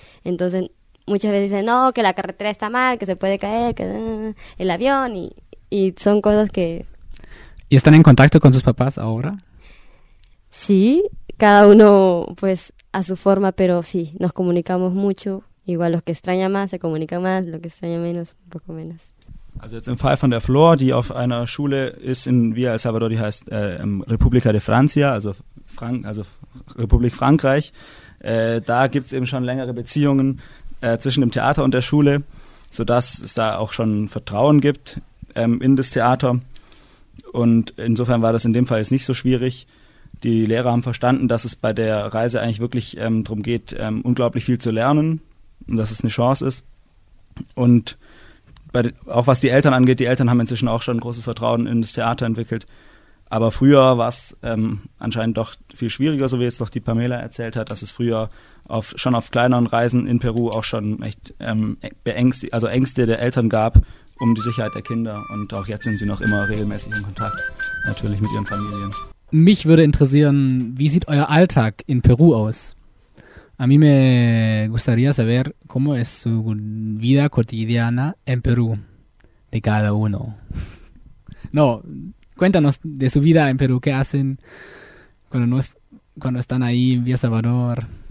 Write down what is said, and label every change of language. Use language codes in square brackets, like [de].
[es] Entonces, muchas veces dicen, no, que la carretera está mal, que se puede caer, que el avión, y son cosas que... ¿Y están en contacto con sus papás ahora? Sí, cada uno, pues, a su forma, pero sí, nos comunicamos mucho. Igual los que extraña más, se comunican más, los que extraña menos, un poco menos. [de] Also jetzt im Fall von der Flor, die auf einer Schule ist in Villa El Salvador, die heißt República de Francia, also Republik Frankreich, da gibt es eben schon längere Beziehungen zwischen dem Theater und der Schule, sodass es da auch schon Vertrauen gibt in das Theater. Und insofern war das in dem Fall jetzt nicht so schwierig. Die Lehrer haben verstanden, dass es bei der Reise eigentlich wirklich darum geht, unglaublich viel zu lernen und dass es eine Chance ist. Und auch was die Eltern angeht, die Eltern haben inzwischen auch schon ein großes Vertrauen in das Theater entwickelt. Aber früher war es anscheinend doch viel schwieriger, so wie jetzt noch die Pamela erzählt hat, dass es früher schon auf kleineren Reisen in Peru auch schon echt Ängste der Eltern gab um die Sicherheit der Kinder. Und auch jetzt sind sie noch immer regelmäßig in Kontakt, natürlich mit ihren Familien. Mich würde interessieren, wie sieht euer Alltag in Peru aus? [es] A mí me gustaría saber cómo es su vida cotidiana en Perú de cada uno. No, cuéntanos de su vida en Perú, ¿qué hacen cuando están ahí en Villa Salvador?